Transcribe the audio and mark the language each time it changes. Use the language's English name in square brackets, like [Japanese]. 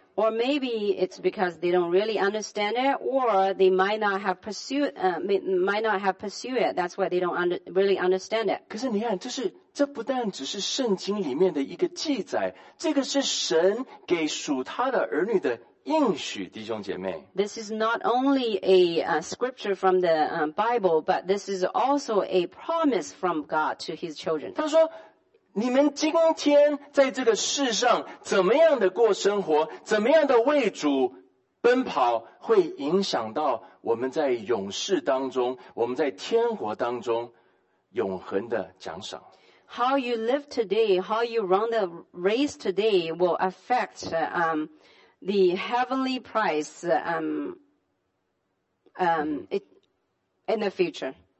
[English] Or maybe it's because they don't really understand it, or they might not have pursued it. That's why they don't really understand it. [Chinese] 可是你看，这不但只是圣经里面的一个记载，这个是神给属他的儿女的应许，弟兄姐妹。 [English] This is not only a scripture from the Bible, but this is also a promise from God to His children. [Chinese] 他说。你们今天在这个世上怎么样的过生活，怎么样的为主奔跑，会影响到我们在永世当中，我们在天国当中永恒的奖赏。 [English] How you live today, how you run the race today will affect the heavenly prize in the future.